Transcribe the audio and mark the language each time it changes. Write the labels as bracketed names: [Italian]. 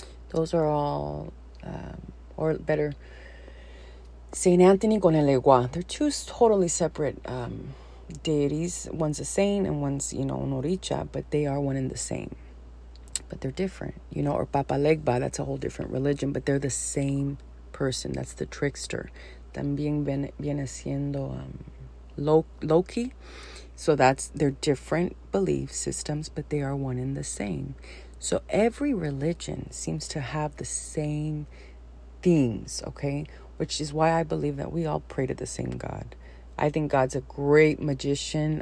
[English] Those are all, or better, St. Anthony [Spanish] con el Egua. [English] They're two totally separate deities. One's a saint and one's, you know, Noricha, but they are one and the same. But they're different, you know, or Papa Legba, that's a whole different religion, but they're the same person. That's the trickster. [Spanish] También viene siendo Loki. [English] So that's, they're different belief systems, but they are one and the same. So every religion seems to have the same themes, okay? Which is why I believe that we all pray to the same God. I think God's a great magician.